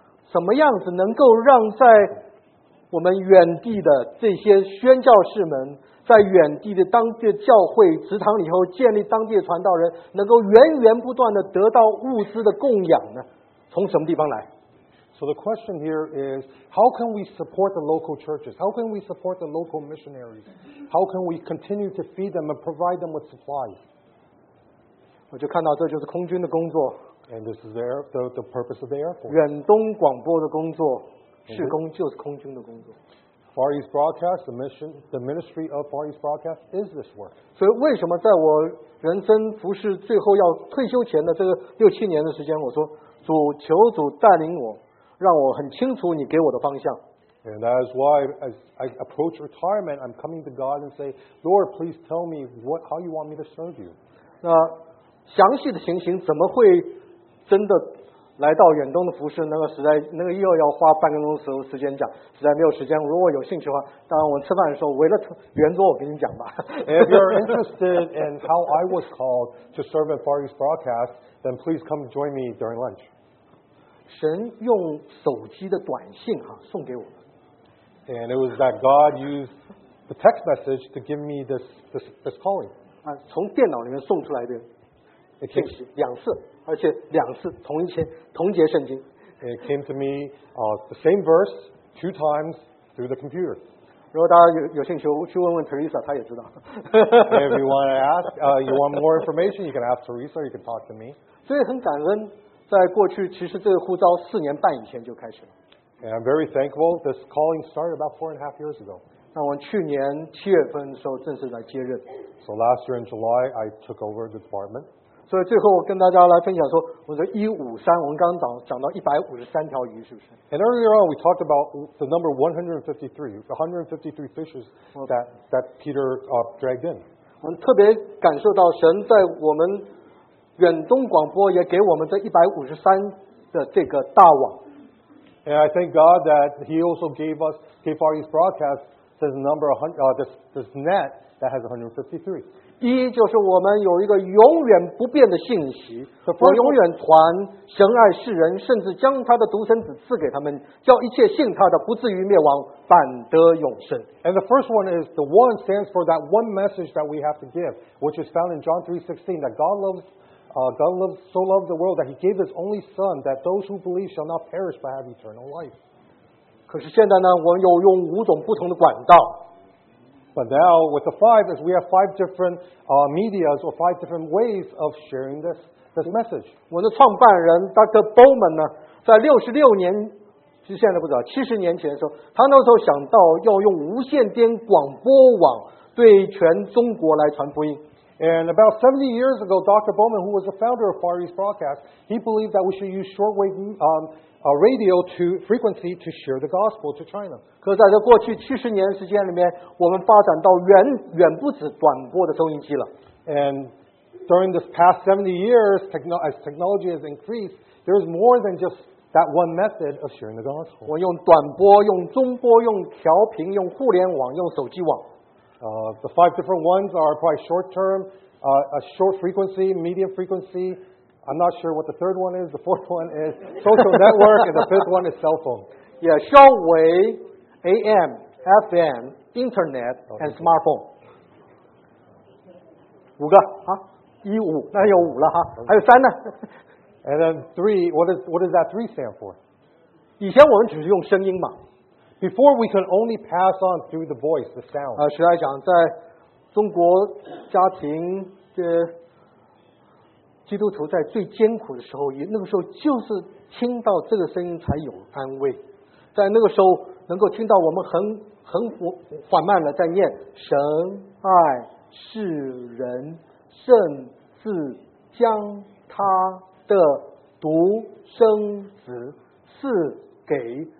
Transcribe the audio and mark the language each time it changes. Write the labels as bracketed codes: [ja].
[zh] 什么样子能够让在我们远地的这些宣教士们，在远地的当地的教会祠堂里头建立当地的传道人，能够源源不断的得到物资的供养呢？从什么地方来 [en] So the question here is, how can we support the local churches? How can we support the local missionaries? How can we continue to feed them and provide them with supplies? [zh] 我就看到这就是空军的工作。 [en] And this is the purpose of the Air Force. [zh] 远东广播的工作，事工就是空军的工作。 [en] Far East Broadcast, the ministry of Far East Broadcast is this work. [zh] 所以为什么在我人生服事最后要退休前的这个六七年的时间，我说主求主带领我，让我很清楚你给我的方向。 [en] And that is why, as I approach retirement, I'm coming to God and say, Lord, please tell me how you want me to serve you. [zh] 那详细的情形怎么会真的来到远东的服事，那个实在那个又要花半个钟头时间讲，实在没有时间。如果有兴趣的话，当然我们吃饭的时候围着圆桌我跟你讲吧。 [en] If you're interested in how I was called to serve at Far East Broadcast, then please come join me during lunch. [zh] 神用手机的短信哈送给我们。 [en] And it was that God used the text message to give me this calling. [zh] 啊，从电脑里面送出来的信息两次。而且两次同一天同节圣经。 [en] It came to me, the same verse two times through the computer. [zh] 如果大家有兴趣，去问问 Teresa， 她也知道。 [en] If you want to ask, you want more information, you can ask Teresa. You can talk to me. [zh] 所以很感恩，在过去其实这个呼召四年半以前就开始了。 [en] And I'm very thankful. This calling started about 4.5 years ago. [zh] 那我去年七月份的时候正式来接任。 [en] So last year in July, I took over the department. [zh] 所以最后我跟大家来分享说，我说一五三，我们刚刚讲到153条鱼，是不是 [en] ？And earlier on we talked about the number 153 fishes that Peter dragged in. [zh] 我们特别感受到神在我们远东广播也给我们这153的这个大网。 [en] And I thank God that He also gave us KFAR East broadcast this number 100, this net that has 153. [zh] 一就是我们有一个永远不变的信息，我永远传神爱世人，甚至将他的独生子赐给他们，叫一切信他的不至于灭亡，反得永生。 [en] And the first one is the one stands for that one message that we have to give, which is found in John 3:16, that God so loved the world that He gave His only Son, that those who believe shall not perish but have eternal life. [zh] 可是现在呢，我们又用五种不同的管道。 [en] But now, with the five, we have five different medias or five different ways of sharing this message. [zh] 我的创办人 Dr. Bowman 呢，在六十六年，是现在不知道七十年前的时候，他那时候想到要用无线电广播网对全中国来传福音。 [en] And about 70 years ago, Dr. Bowman, who was the founder of Far East Broadcast, he believed that we should use shortwave radio to frequency to share the gospel to China. [zh] 可在这过去70年时间里面，我们发展到远远不止短波的收音机了。 [en] And during this past 70 years, as technology has increased, there is more than just that one method of sharing the gospel. [zh] 我用短波，用中波，用调频，用互联网，用手机网。 [en] The five different ones are probably short term, a short frequency, medium frequency. I'm not sure what the third one is. The fourth one is social network, and the fifth one is cell phone. Yeah, 小微 AM, FM, internet, and smartphone. [zh] 五个啊，一五，那有五了哈，还有三呢。 [en] And then three. What does that three stand for? [zh] 以前我们只是用声音嘛。 [en] Before we could only pass on through the voice, the sound. [zh] 实在讲，在中国家庭的基督徒在最艰苦的时候，那个时候就是听到这个声音才有安慰。在那个时候，能够听到我们很缓慢的在念神爱世人，甚至将他的独生子赐给。